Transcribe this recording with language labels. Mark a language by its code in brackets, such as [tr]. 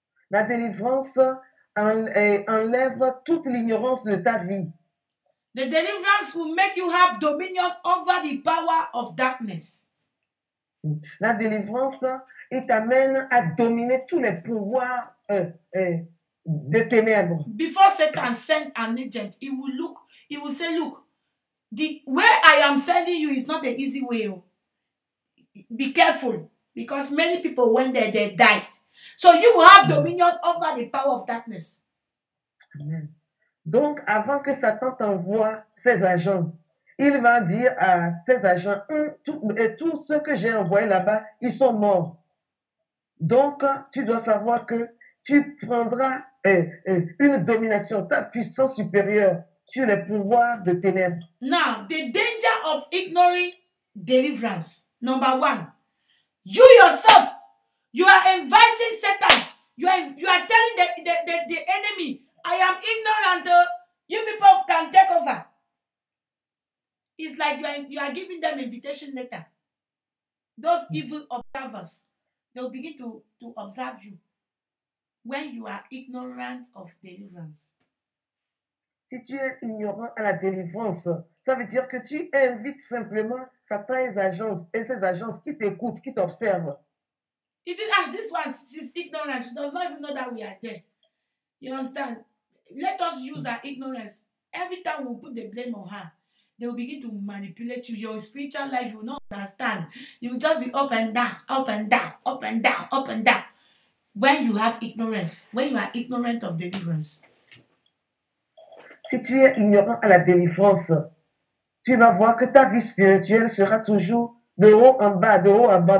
[fr] La délivrance enlève toute l'ignorance de ta vie. [en] The deliverance will make you have dominion over the power of darkness. [fr] La délivrance t'amène à dominer tous les pouvoirs de ténèbres. [en] Before Satan sent an agent, he will say, look, the way I am sending you is not an easy way. Be careful, because many people went there, they died. So you will have dominion over the power of darkness. Amen. [fr] Donc, avant que Satan t'envoie ses agents, il va dire à ses agents, tous ceux que j'ai envoyés là-bas, ils sont morts. Donc, tu dois savoir que tu prendras une domination, ta puissance supérieure sur les pouvoirs de ténèbres. [en] Now, the danger of ignoring deliverance. Number one, you yourself, you are inviting Satan. You are telling the enemy, I am ignorant. You people can take over. It's like you are giving them invitation letter. Those evil observers, they'll begin to observe you when you are ignorant of deliverance. [fr] Si tu es ignorant à la délivrance, ça veut dire que tu invites simplement Satan et ses agences qui t'écoutent, qui t'observent. [en] He did ask this one, she's ignorant. She does not even know that we are there. You understand? Let us use our ignorance. Every time we put the blame on her, they will begin to manipulate you. Your spiritual life, you will not understand. You will just be up and down, up and down, up and down, up and down. When you have ignorance, when you are ignorant of deliverance. [fr] Si tu es ignorant à la délivrance, tu vas voir que ta vie spirituelle sera toujours de haut en bas, de haut en bas.